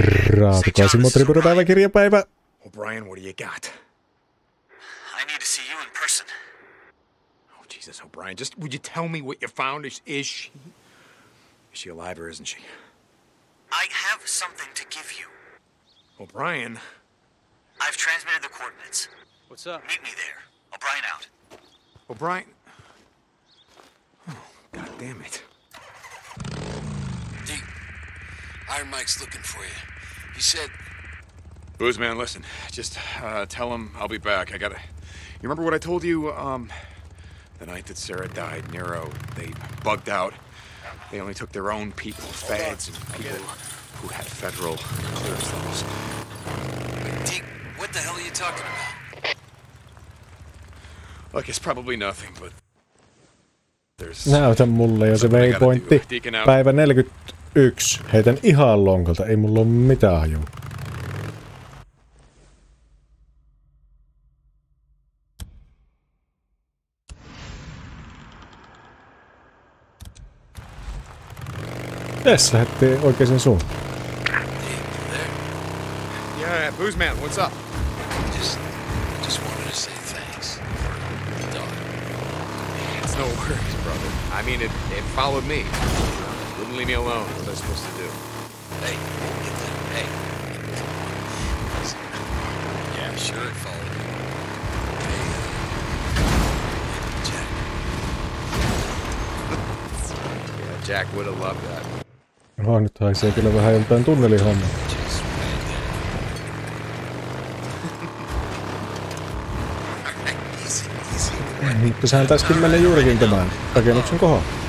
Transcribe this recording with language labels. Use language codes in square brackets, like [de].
[fi] Raatikaisin moottoripyörän päiväkirjapäivä. [en] O'Brien, what do you got? I need to see you in person. Oh, Jesus, O'Brien, just would you tell me what you found? Is she alive or isn't she? I have something to give you. O'Brien? I've transmitted the coordinates. What's up? Meet me there. O'Brien out. O'Brien? Oh, God damn it. Deep, Iron Mike's looking for you. He said... Boozman, listen. Just tell him I'll be back. I gotta... You remember what I told you, the night that Sarah died, Nero, they bugged out. They only took their own people, feds, and people who had federal clearance. Deke, what the hell are you talking about? Look, it's probably nothing, but... [fi] Näytä mulle jo se waypointti. Päivä 41. Heitän ihan lonkalta. Ei mulla ole mitään hajua. Tässä lähti oikeaan suuntaan. [en] Yeah, Boozman, what's up? Just wanted to say thanks. It's no worries, brother. I mean, it followed me. Wouldn't leave me alone. What was I supposed to do? Hey, get that. Hey. Yeah, sure, it followed me. Jack. Yeah, Jack would have loved that. [fi] Oho, nyt haisee kyllä vähän joltain tunnelihomma. Mutta sehän taisikin mennä juurikin tämän rakennuksen kohon.